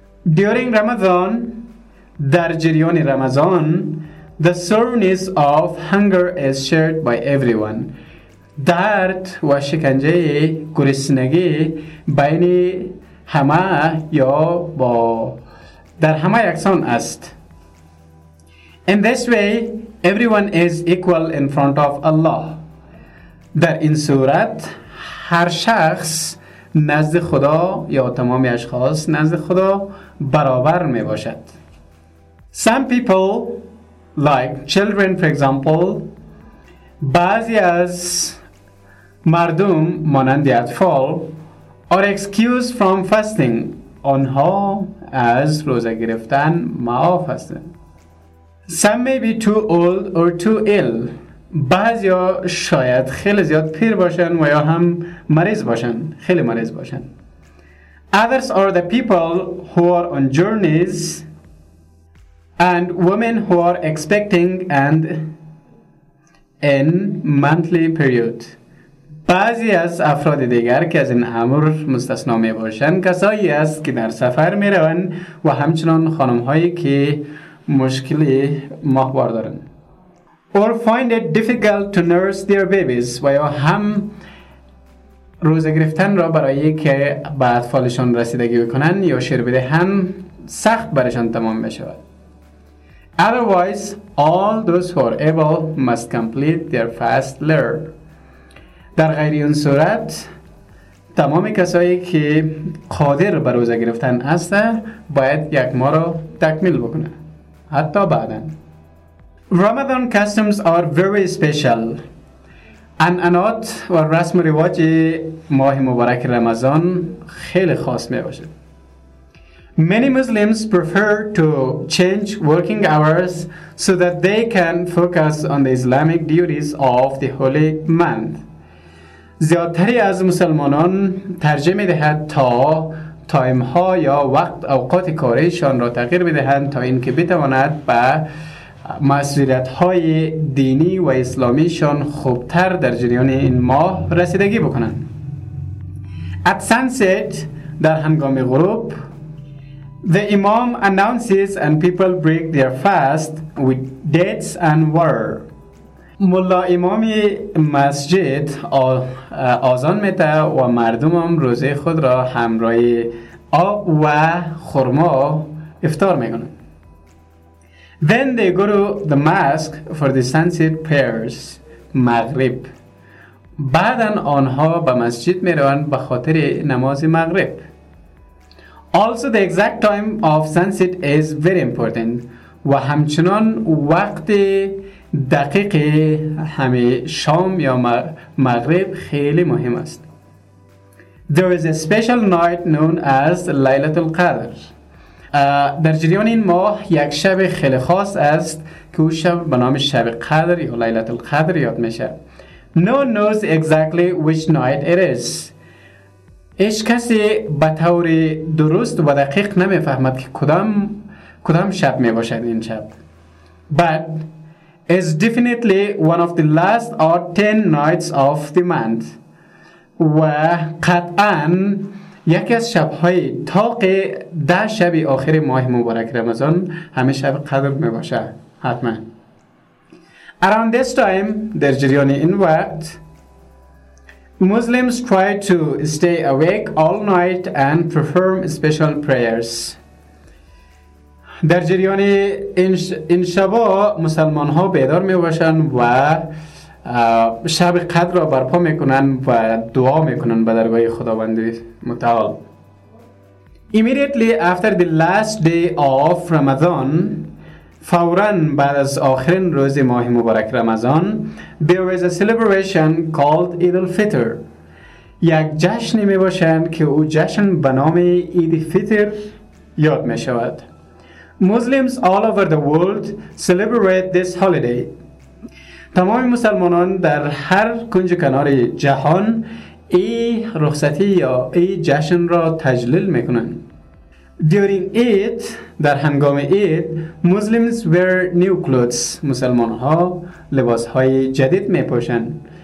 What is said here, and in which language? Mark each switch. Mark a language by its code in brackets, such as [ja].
[en] During Ramadan, [fa] در جریان رمضان, [en] the soreness of hunger is shared by everyone. [fa] درد و شکنجه گرسنگی بین همه یا با در همه یکسان است. [en] In this way, everyone is equal in front of Allah. [fa] در این صورت هر شخص نزد خدا یا تمام اشخاص نزد خدا برابر می باشد. [en] Some people, like children for example, [fa] بعضی از مردم مانند اطفال [en] are excused from fasting. [fa] آنها از روزه گرفتن معاف هستند. [en] Some may be too old or too ill. [fa] بعضی ها شاید خیلی زیاد پیر باشن و یا هم مریض باشن. خیلی مریض باشن. [en] Others are the people who are on journeys and women who are expecting and in monthly period. [fa] بعضی از افراد دیگر که از این امر مستثنا می باشن کسایی است که در سفر می روند و همچنان خانم هایی که مشکلی ماهوار دارند. [en] Or find it difficult to nurse their babies. [fa] و یا هم روزه گرفتن را برای که به اطفالشان رسیدگی بکنن یا شیر بدهن سخت برشان تمام بشود. [en] Otherwise, all those who are able must complete their fast later. [fa] در غیر این صورت تمام کسایی که قادر به روزه گرفتن هسته باید یک ماه را تکمیل بکنه. حتی بعدن. [en] Ramadan customs are very special. [fa] An'anat و رسم و رواج ماه مبارک رمضان خیلی خاص می باشد. [en] Many Muslims prefer to change working hours so that they can focus on the Islamic duties of the holy month. [fa] زیادتری از مسلمانان ترجیح می دهد تا تایم ها یا وقت اوقات کاریشان را تغییر بدهند تا اینکه بتواند به مسئولیت های دینی و اسلامیشان خوبتر در جریان این ماه رسیدگی بکنند. [en] At sunset, [fa] در هنگام غروب, [en] the imam announces and people break their fast with dates and water. [fa] ملا امام مسجد آذان می‌دهد و مردم هم روزه خود را همراه آب و خرما افطار می‌کنند. [en] Then they go to the mosque for the sunset prayers, Maghrib. [fa] بعدن آنها به مسجد می روند به خاطر نماز مغرب. [en] Also the exact time of sunset is very important. [fa] و همچنان وقت دقیق همه شام یا مغرب خیلی مهم است. [en] There is a special night known as Laylatul Qadr. [fa] در جریان این ماه یک شب خیلی خاص است که او شب به نام شب قدر یا لیلۃ القدر یاد میشه. [en] No one knows exactly which night it is. [fa] هیچ کسی به طور درست و دقیق نمیفهمد که کدام شب میباشد این شب. [en] But it's definitely one of the last or 10 nights of the month. [fa] و قطعاً یکی از شب‌های تاق ده شب آخر ماه مبارک رمضان همه شب قدر می باشه. حتما. [en] Around this time, [fa] در جریان این وقت, [en] Muslims try to stay awake all night and perform special prayers. [fa] در جریان این شب مسلمان ها بیدار می باشن و شب قدر را برپا میکنن و دعا میکنن به درگاه خداوند متعال. [en] Immediately after the last day of Ramadan, [fa] فوراً بعد از آخرین روز ماه مبارک رمضان, [en] there is a celebration called Eid al-Fitr. [fa] یک جشن می باشند که او جشن به نام عید فطر یاد می شود. [en] Muslims all over the world celebrate this holiday. [fa] تمام مسلمانان در هر کنج کنار جهان ای رخصتی یا ای جشن را تجلیل می کنند. [en] During Eid, [fa] در هنگام [en] Eid, Muslims wear new clothes. [fa] مسلمان ها لباس های جدید می پوشند.